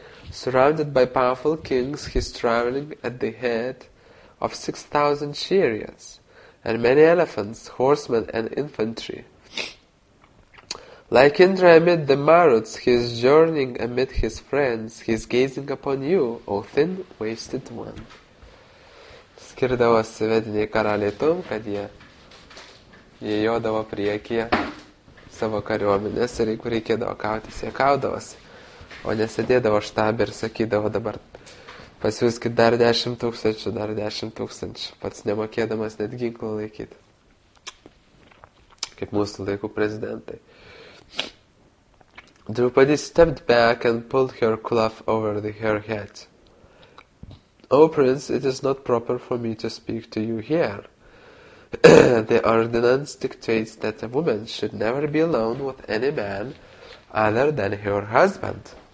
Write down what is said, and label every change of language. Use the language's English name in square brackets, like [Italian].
[English] Surrounded by powerful kings, he is traveling at the head of 6,000 chariots and many elephants, horsemen and infantry. Like Indra amid the Maruts, he is journeying amid his friends. He is gazing upon you, O thin-waisted one." [Lithuanian] Skirdavosi vediniai karaliai tom, kad jie įjodavo priekyje savo kariuomenės ir jeigu reikėdavo kautis, jie kaudavosi. O nesėdėdavo štabį ir sakydavo, dabar pasiūskit dar 10 000, dar 10 000, pats nemokėdamas net ginklų laikyti. Kaip mūsų laikų prezidentai. [English] Draupadi stepped back and pulled her cloth over her head. "O prince, it is not proper for me to speak to you here. The ordinance dictates that a woman should never be alone with any man other than her husband.